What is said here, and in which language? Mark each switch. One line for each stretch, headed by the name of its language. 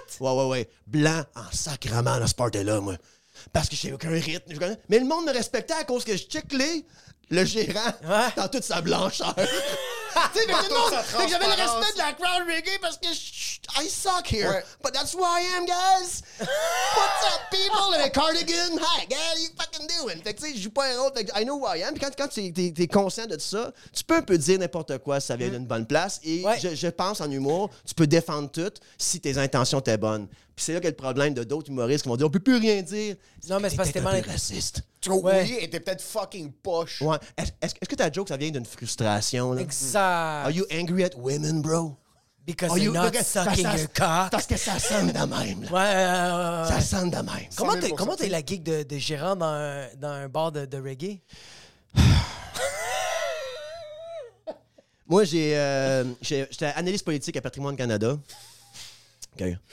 English: What?
French: Ouais. Blanc en sacrement dans ce party-là, moi. Parce que j'ai aucun rythme. Mais le monde me respectait à cause que je checklais. Le gérant, dans toute sa blancheur. Tu sais, mais non, c'est que j'avais le respect de la crowd reggae parce que
English: I suck here.
French: Ouais.
English: But that's who I am, guys. What's up, people? In a cardigan. Hi, guys, what are you fucking doing?
French: Fait que tu sais, je joue pas un rôle. Fait que
English: I know who I am.
French: Puis quand t'es conscient de ça, tu peux un peu dire n'importe quoi si ça vient d'une bonne place. Et je pense en humour, tu peux défendre tout si tes intentions étaient bonnes. Puis c'est là qu'est le problème de d'autres humoristes qui vont dire on peut plus rien dire. Non, mais c'est parce que t'es mal. T'es raciste. Oui, t'es peut-être fucking poche. Ouais. Est-ce que ta joke, ça vient d'une frustration, là? Exact.
English: Are you angry at women, bro? Because you're not sucking your cock.
French: Parce que ça sonne de même, là. Ouais. Ça sonne de même. Comment t'es la geek de gérant dans un bar de reggae? Moi, j'étais analyste politique à Patrimoine Canada. Okay.